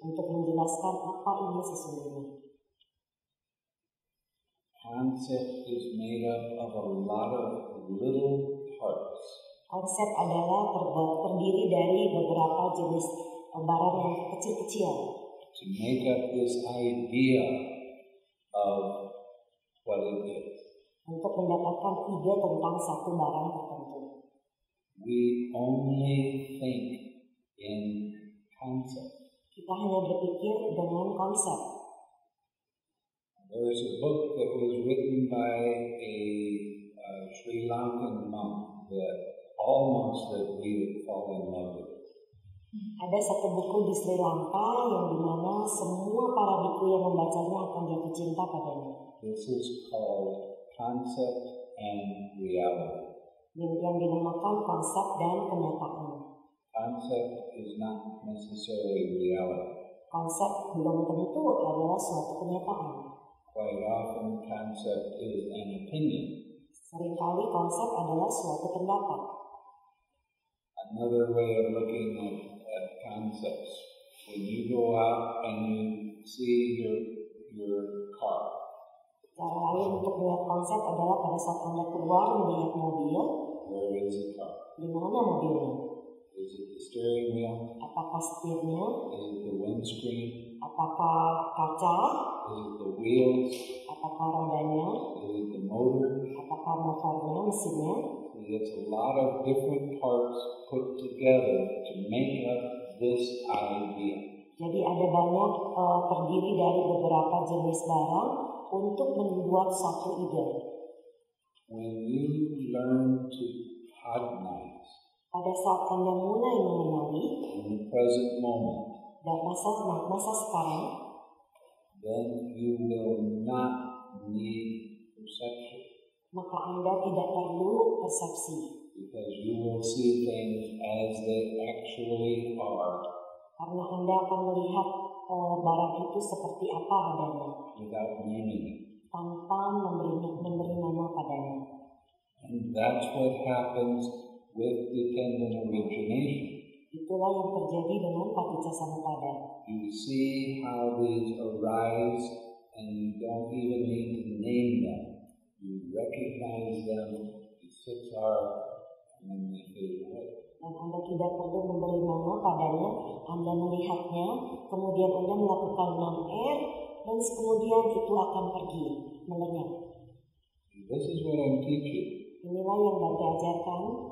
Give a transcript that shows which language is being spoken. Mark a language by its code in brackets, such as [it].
[id] Untuk menjelaskan apa ini sesungguhnya. [en] Concept is made up of a lot of little parts. [id] Konsep adalah terdiri dari beberapa jenis barang yang kecil-kecil. [en] To make up this idea of what it is. [id] Untuk mendapatkan ide tentang satu barang tertentu. [en] We only think in concept. [id] Kita hanya berpikir dengan konsep. [en] There is a book that was written by a Sri Lankan monk that all monks that read fall in love with. [id] Ada satu buku di Sri Lanka yang dimana semua para biku yang membacanya akan jatuh cinta padanya. [en] This is called Concept and Reality. [id] Yang dinamakan konsep dan kenyataan. [en] Concept is not necessarily reality. [id] Konsep belum tentu adalah suatu kenyataan. [en] Quite often, concept is an opinion. [id] Seringkali konsep adalah suatu pendapat. [en] Another way of looking at concepts: when you go out and you see your car. [id] Cara lain untuk melihat konsep adalah pada saat Anda keluar melihat mobil. [en] Where is the car? [id] Di mana mobilnya? [en] Is it the steering wheel? [id] Apakah setirnya? [en] Is it the windscreen? [id] Apakah kaca? [en] Is it the wheels? [id] Apakah rodanya? [en] Is it the motor? [id] Apakah motornya, mesinnya? [en] It's a lot of different parts put together to make up this idea. [id] Jadi ada banyak terdiri dari beberapa jenis barang untuk membuat satu ide. [en] When you learn to cognize. [id] Pada saat Anda mulai mengenali, [en] in the present moment, [id] dan masa sekarang, [en] then you will not need perception. [id] Maka Anda tidak perlu persepsi. [en] Because you will see things as they actually are. [id] Karena Anda akan melihat barang itu seperti apa adanya. [en] Without meaning. [id] Tanpa memberi nama padanya. [en] And that's what happens with dependent origination. [id] Itulah yang terjadi dengan paticca samuppada. [en] You see how these arise and you don't even need to name them. You recognize them, the six are, and then they fade away. [id] Dan Anda tidak perlu memberi nama padanya, Anda melihatnya, kemudian Anda melakukan 6R, dan kemudian itu akan pergi, melenyap. [en] This is what I'm teaching. [id] Inilah yang Bapak ajarkan.